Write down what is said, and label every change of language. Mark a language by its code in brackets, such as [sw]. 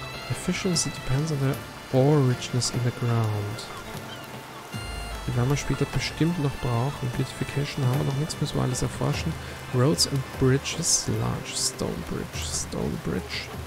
[en] Efficiency depends on the ore richness in the ground. [de] Die werden wir später bestimmt noch brauchen. Beautification haben wir noch nichts, müssen wir alles erforschen. [en] Roads and bridges, large stone bridge, stone bridge.